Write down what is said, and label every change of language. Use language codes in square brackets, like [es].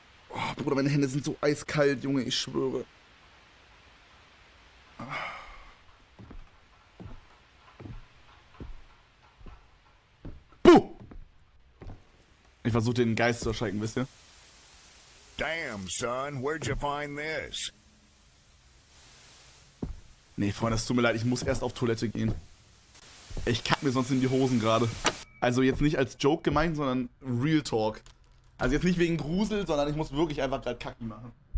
[de] Oh, Bruder, meine Hände sind so eiskalt, Junge, ich schwöre. Ich versuche den Geist zu erschrecken, wisst ihr? [en] Damn, son, where'd you find this? [de] Nee, Freunde, es tut mir leid, ich muss erst auf Toilette gehen. Ich kack mir sonst in die Hosen gerade. Also jetzt nicht als Joke gemeint, sondern Real Talk. Also jetzt nicht wegen Grusel, sondern ich muss wirklich einfach gerade Kacki machen.